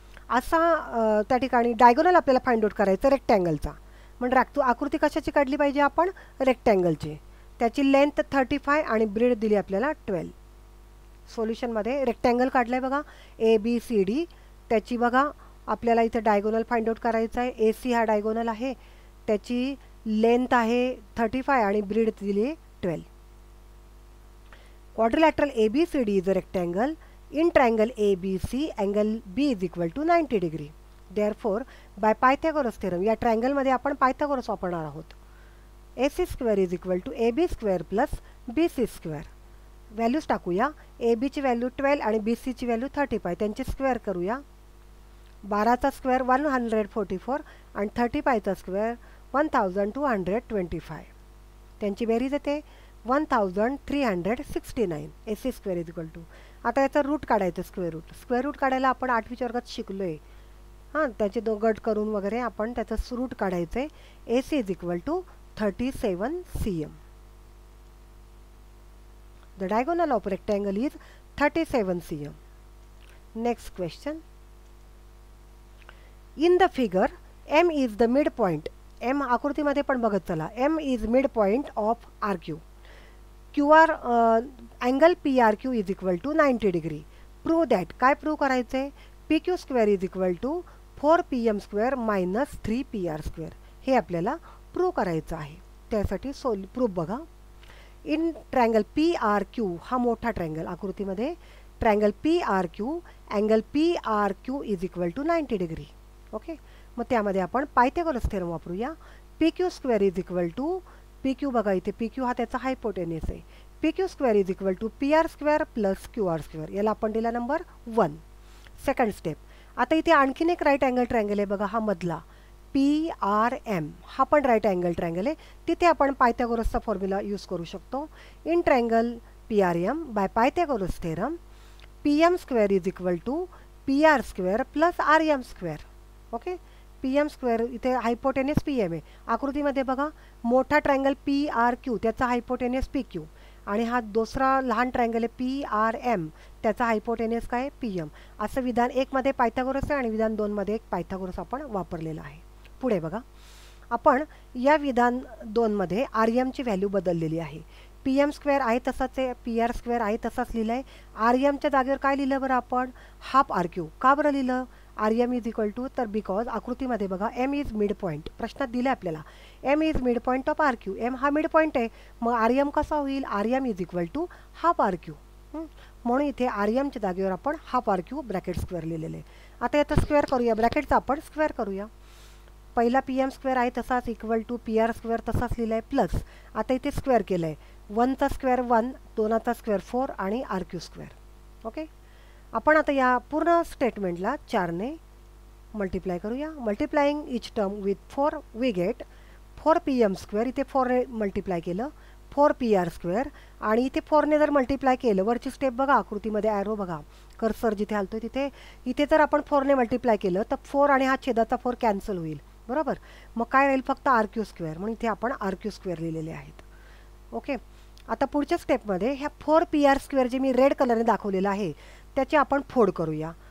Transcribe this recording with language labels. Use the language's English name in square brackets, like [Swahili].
[Marathi] असा त्या ठिकाणी डायगोनल आपल्याला फाइंड आउट करायचा रेक्टँगलचा, म्हणजे राखतो आकृती कशाची काढली पाहिजे आपण, रेक्टँगलची, त्याची लेंथ 35 आणि ब्रिड दिली आपल्याला 12. सोल्युशनमध्ये रेक्टँगल काढलं आहे बघा, ए बी सी डी, त्याची बघा आपल्याला इथे डायगोनल फाइंड आउट करायचं आहे. ए सी हा डायगोनल आहे, त्याची लेंथ आहे 35 आणि ब्रिड दिली 12. [English] Quadrilateral A B C D is a rectangle. In triangle A B C angle B is equal to 90 degree. Therefore by Pythagoras theorem [Marathi] या ट्रँगलमध्ये आपण पायथागोरस वापरणार आहोत. ए C square is equal to A B square plus B C square. Values टाकूया, ए बीची value 12 आणि बी सीची value 35, त्यांचे square करूया. 12चा स्क्वेअर 144 आणि 35चा स्क्वेअर 1225, त्यांची बेरीज येते 1369. ए C square is equal to, आता याचं रूट काढायचं, स्क्वेअर रूट. स्क्वेअर रूट काढायला आपण 8व्या वर्गात शिकलो आहे, हां, त्याचे दो गट करून वगैरे आपण त्याचं रूट काढायचं आहे. [English] A C is equal to 37 cm. The diagonal of rectangle is 37 cm. Next question. In the figure, M is the midpoint. [Marathi] M आकृती मध्ये पण बघत चला. [English] M is midpoint of RQ. QR angle PRQ is equal to 90 degree. Prove that. [Marathi] काय prove करायचे? [English] PQ square is equal to 4PM square minus 3PR square. [Marathi] हे आपल्याला prove करायचं आहे. त्यासाठी प्रूफ बघा. [English] In triangle PRQ, [Marathi] हा मोठा triangle आकृती मध्ये [English] triangle PRQ, angle PRQ is equal to 90 degree. [Marathi] Okay मग त्यामध्ये आपण पायथागोरस थेरम वापरूया. [English] PQ square is equal to PQ [Marathi] बघा इथे PQ हा त्याचा हायपोटेन्यूस आहे. [English] PQ square is equal to PR square plus QR square. [Marathi] याला आपण दिला नंबर 1. [English] Second step. [Marathi] आता इथे आणखीन एक राइट अँगल ट्रायंगल आहे बघा हा मधला PRM हा पण राइट अँगल ट्रायंगल आहे. तिथे आपण पायथागोरसचा फॉर्म्युला यूज करू शकतो. [English] In triangle PRM by Pythagoras theorem PM square is equal to PR square plus RM square. [Marathi] Okay PM square इथे हायपोटेन्यूस PM आहे. आकृती मध्ये बघा मोठा ट्रायंगल PRQ त्याचा हायपोटेन्यूस PQ आणि हा दुसरा लहान ट्रायंगल आहे PRM त्याचा हायपोटेन्यूस काय PM. असं विधान 1 मध्ये पायथागोरस आहे आणि विधान 2 मध्ये एक पायथागोरस आपण वापरलेला आहे. पुढे बघा आपण या विधान 2 मध्ये RM ची व्हॅल्यू बदललेली आहे. PM square आहे तसाच आहे, PR square आहे तसाच लिहिलंय. RM च्या जागेवर काय लिहिलं बरं आपण हाफ RQ. का बरं लिहिलं [English] RM is equal to तर because [Marathi] आकृती मध्ये बघा [English] M is midpoint. [Marathi] प्रश्नात दिले आपल्याला [English] M is midpoint of RQ. [Marathi] M हा midpoint आहे मग RM कसा होईल? [English] RM is equal to half RQ. [Marathi] म्हणून इथे RM च्या जागेवर आपण [English] half RQ bracket square [Marathi] लिहिलेले. आता याचा स्क्वेअर करूया, ब्रॅकेटचा आपण स्क्वेअर करूया. पहिला PM square आहे तसाच इक्वल टू PR square तसाच लिहिलंय प्लस आता इथे स्क्वेअर केलंय 1 चा स्क्वेअर 1, 2 चा स्क्वेअर 4 आणि RQ square. ओके आपण आता या पूर्ण स्टेटमेंटला 4 ने मल्टीप्लाई करूया. [English] Multiplying each term with 4 we get 4PM square. [Marathi] इथे 4 ने मल्टीप्लाई केलं 4PR स्क्वेअर आणि इथे 4 ने जर मल्टीप्लाई केलं वरची स्टेप बघा आकृतीमध्ये एरो बघा कर्सर जिथे हलतोय तिथे इथे जर आपण 4 ने मल्टीप्लाई केलं तर 4 आणि हा छेदाचा 4 कॅन्सल होईल बरोबर. मग काय राहील? फक्त RQ स्क्वेअर. म्हणून इथे आपण RQ स्क्वेअर लिहिलेले आहेत. ओके आता पुढच्या स्टेपमध्ये ह्या 4PR स्क्वेअर जे मी रेड कलरने दाखवलेलं आहे त्याची आपण फोड करूया.